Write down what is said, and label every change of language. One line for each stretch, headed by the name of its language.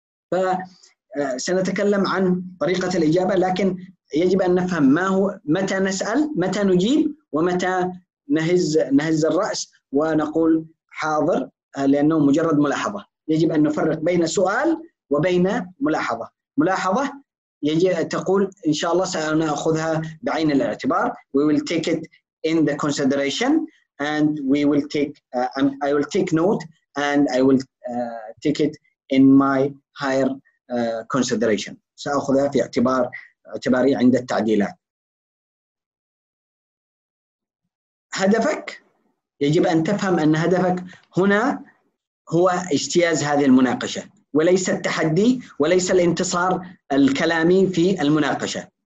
Arabic: فسنتكلم عن طريقة الإجابة، لكن يجب أن نفهم متى نسأل، متى نجيب، ومتى نهز الرأس ونقول حاضر لأنه مجرد ملاحظة. يجب أن نفرق بين سؤال وبين ملاحظة. ملاحظة تقول إن شاء الله سنأخذها بعين الاعتبار،
English: we will take it in the consideration and we will take I will take note and I will ticket in my higher consideration.
Arabic: سأخذها في اعتباري عند التعديلات. هدفك يجب أن تفهم أن هدفك هنا هو اجتياز هذه المناقشة وليس التحدي وليس الانتصار الكلامي في المناقشة.